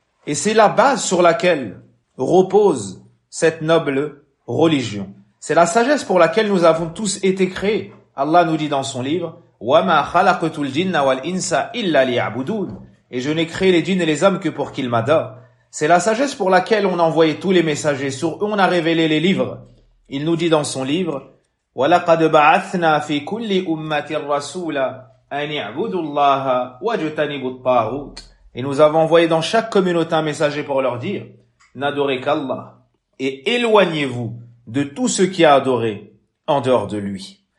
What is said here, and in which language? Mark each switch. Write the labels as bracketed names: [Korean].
[French] Et c'est la base sur laquelle repose cette noble religion. C'est la sagesse pour laquelle nous avons tous été créés. Allah nous dit dans son livre « [Arabic] وَمَا خَلَقْتُ الْجِنَّ وَالْإِنْسَ إِلَّا لِيَعْبُدُونَ [French] » Et je n'ai créé les djinns et les hommes que pour qu'ils m'adorent. C'est la sagesse pour laquelle on a envoyé tous les messagers, sur eux on a révélé les livres. Il nous dit dans son livre, [Arabic] وَلَقَدْ بَعَثْنَا فِي كُلِّ أُمَّةٍ رَسُولًا أَنْ يَعْبُدُوا اللَّهَ وَجُتَنِبُوا الطَّاغُوتَ. [French] Et nous avons envoyé dans chaque communauté un messager pour leur dire, n'adorez qu'Allah et éloignez-vous de tout ce qui a adoré en dehors de lui.